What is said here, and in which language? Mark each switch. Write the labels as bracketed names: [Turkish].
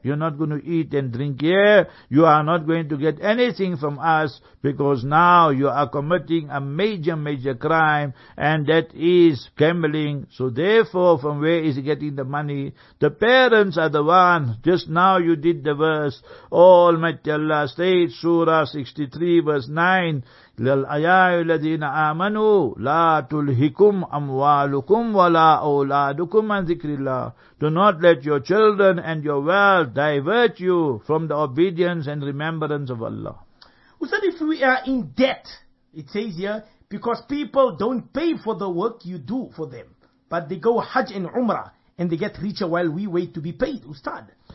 [English] You're not going to eat and drink here. You are not going to get anything from us, because now you are committing a major, major crime, and that is gambling. So therefore, from where is he getting the money? The parents are the one. Just now you did the verse. Oh, Almighty Allah states, Surah 63 verse 9, [Arabic] لَلْأَيَاءُ الَّذِينَ آمَنُوا لَا تُلْهِكُمْ أَمْوَالُكُمْ وَلَا أَوْلَادُكُمْ عَنْ ذِكْرِ اللَّهِ. [English] Do not let your children and your wealth divert you from the obedience and remembrance of Allah. Ustad, if we are in debt, it says here, because people don't pay for the work you do for them, but they go Hajj and Umrah, and they get richer while we wait to be paid, Ustad.